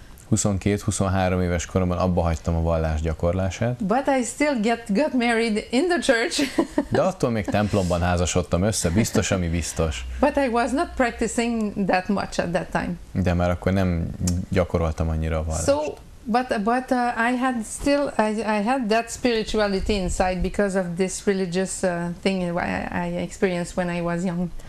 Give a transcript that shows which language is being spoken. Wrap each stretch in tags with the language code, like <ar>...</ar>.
<hu>22-23 éves koromban abba hagytam a vallás gyakorlását.</hu> <en>But I still got married in the church.</en> <hu>De attól még templomban házasodtam össze, biztos, ami biztos.</hu> <en>But I was not practicing that much at that time.</en> <hu>De már akkor nem gyakoroltam annyira a vallást.</hu> <en>So, But I had that spirituality inside because of this religious thing I experienced when I was young.</en>